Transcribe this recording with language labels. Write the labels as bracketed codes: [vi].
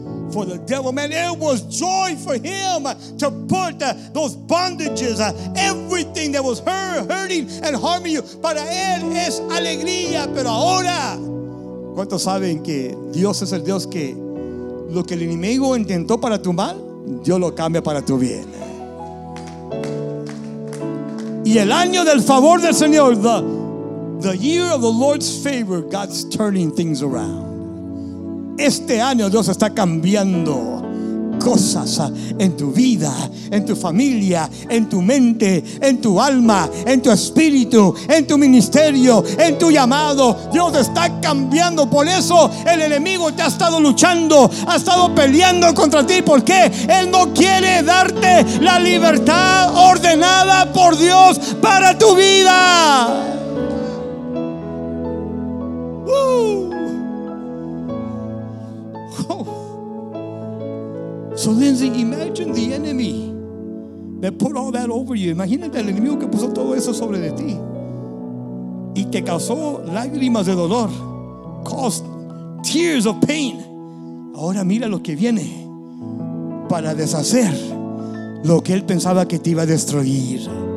[en] For the devil, man, it was joy for him to put those bondages, everything that was hurting and harming you. [es] Para él es alegría, pero ahora, ¿cuántos saben que Dios es el Dios que lo que el enemigo intentó para tu mal, Dios lo cambia para tu bien? Y el año del favor del Señor, [en] the year of the Lord's favor, God's turning things around. [es] Este año Dios está cambiando cosas en tu vida, en tu familia, en tu mente, en tu alma, en tu espíritu, en tu ministerio, en tu llamado. Dios está cambiando. Por eso el enemigo te ha estado luchando, ha estado peleando contra ti. ¿Por qué? Él no quiere darte la libertad ordenada por Dios para tu vida. [en] So Lindsay, imagine the enemy that put all that over you. [es] Imagínate el enemigo que puso todo eso sobre de ti y te causó lágrimas de dolor, [en] caused tears of pain. [es] Ahora mira lo que viene para deshacer lo que él pensaba que te iba a destruir.